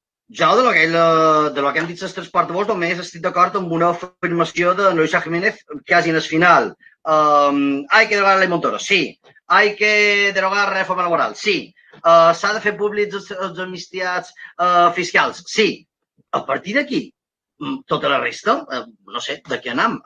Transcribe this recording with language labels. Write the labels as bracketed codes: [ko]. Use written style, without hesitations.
[ca] Jo, de lo que han dit els tres portavors, només estic d'acord amb una afirmació de Luisa Jiménez quasi en el final. [es] Hay que derogar la ley Montoro, sí. Hay que derogar la reforma laboral, sí. [ca] S'ha de fer públics els amnistiats fiscals, sí. A partir d'aquí, tota la resta, no sé, d'aquí anem.